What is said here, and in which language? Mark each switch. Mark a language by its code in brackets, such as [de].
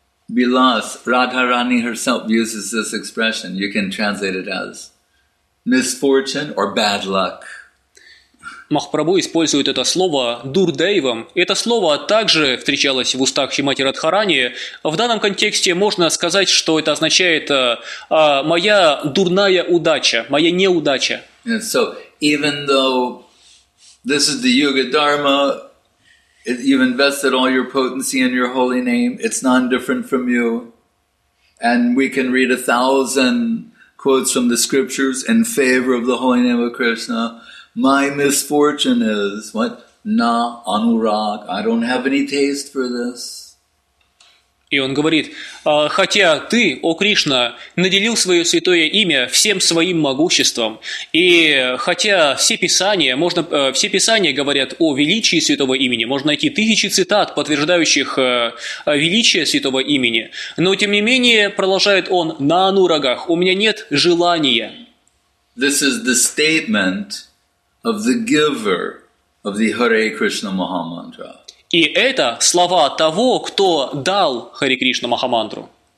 [en] Bilas, Radharani herself uses this expression. You can translate it as misfortune or bad luck. [ru] Махапрабху использует это слово дурдейвам. Это слово также встречалось в устах Шримати Радхарани. В данном контексте можно сказать, что это означает моя дурная удача, моя неудача. [en] And so, even though this is the Yuga Dharma, you've invested all your potency in your holy name, it's none different from you. And we can read 1,000 quotes from the scriptures in favor of the holy name of Krishna. My misfortune is what? Na anurag. I don't have any taste for this. [ru] И он говорит, хотя ты, о Кришна, наделил свое святое имя всем своим могуществом, и хотя все писания, можно, все писания говорят о величии святого имени, можно найти тысячи цитат, подтверждающих величие святого имени, но тем не менее, продолжает он, на анурагах, у меня нет желания. [en] This is the statement of the giver of the Hare Krishna Mahamantra. [ru] И это слова того, кто дал Хари Кришна Махамантру.